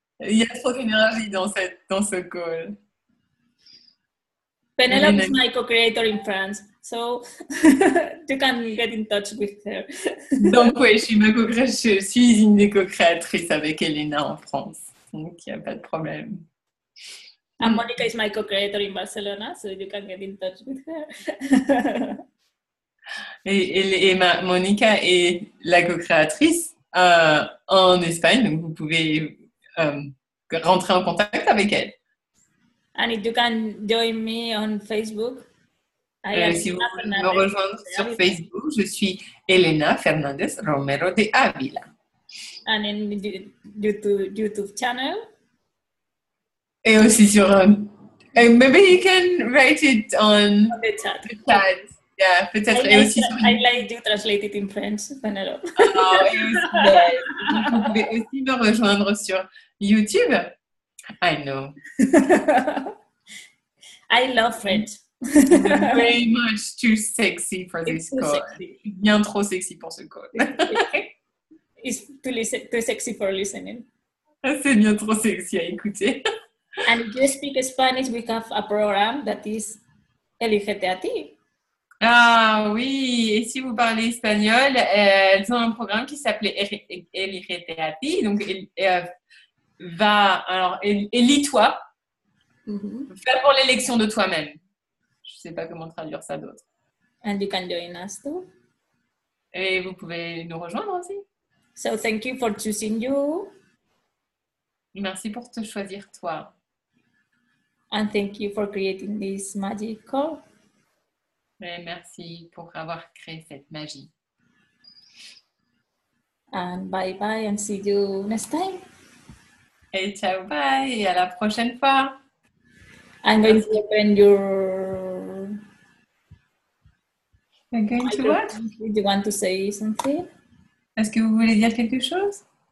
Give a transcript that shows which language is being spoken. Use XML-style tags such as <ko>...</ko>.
<fr>Il y a trop d'énergie dans ce call.</fr> <en>Penelope is my co-creator in France, so you can get in touch with her.</en> <fr>Donc oui, je suis une co-créatrice avec Elena en France, donc il n'y a pas de problème.</fr> <en>And Monica is my co-creator in Barcelona, so you can get in touch with her.</en> <fr>Monica est la co-créatrice en Espagne, donc vous pouvez rentrer en contact avec elle.</fr> <en>And if you can join me on Facebook, I am</en> <fr>si vous pouvez me rejoindre sur Facebook, je suis Elena Fernández Romero de Ávila.</fr> <en>And in YouTube channel.</en> <fr>Et aussi sur</fr> <en>maybe you can write it on the chat. The chat. Yeah,</en> <fr>peut-être.</fr> <en>I like to translate it in French, Penelope.</en> <fr>Vous pouvez aussi me rejoindre sur YouTube.</fr> <en>I know. I love French. Very much too sexy for it's this call.</en> <fr>Sexy. Bien trop sexy pour ce call.</fr> <en>It's too sexy for listening.</en> <fr>C'est bien trop sexy à écouter.</fr> <en>And if you speak Spanish, we have a program that is Elígete a ti.</en> <fr>Ah oui, et si vous parlez espagnol, ils ont un programme qui s'appelait Elígete a ti. Donc, va, alors, élis-toi. Mm-hmm. Va pour l'élection de toi-même. Je ne sais pas comment traduire ça d'autre.</fr> <en>And you can join us too.</en> <fr>Et vous pouvez nous rejoindre aussi.</fr> <en>So thank you for choosing you.</en> <fr>Merci pour te choisir toi.</fr> <en>And thank you for creating this magic call.</en> <fr>Et merci pour avoir créé cette magie.</fr> <en>And bye bye and see you next time.</en> <fr>Hey, ciao, bye, et à la prochaine fois.</fr> <en>I'm going to open your... You're going to what? Do you want to say something?</en> <fr>Est-ce que vous voulez dire quelque chose?</fr>